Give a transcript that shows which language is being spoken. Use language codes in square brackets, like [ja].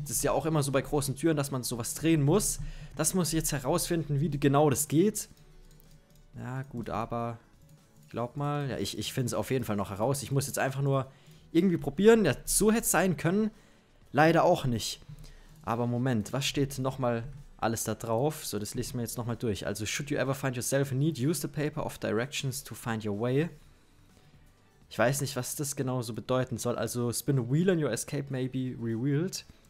[de] Das ist ja auch immer so bei großen Türen, dass man sowas drehen muss. Das muss ich jetzt herausfinden, wie genau das geht. Ja, gut, aber. Glaub mal, ja, ich finde es auf jeden Fall noch heraus. Ich muss jetzt einfach nur irgendwie probieren. Ja, so hätte es sein können. Leider auch nicht. Aber Moment, was steht nochmal alles da drauf? So, das lese ich mir jetzt nochmal durch. [en] Also, should you ever find yourself in need, use the paper of directions to find your way. [de] Ich weiß nicht, was das genau so bedeuten soll. [en] Also, spin a wheel and your escape may be revealed.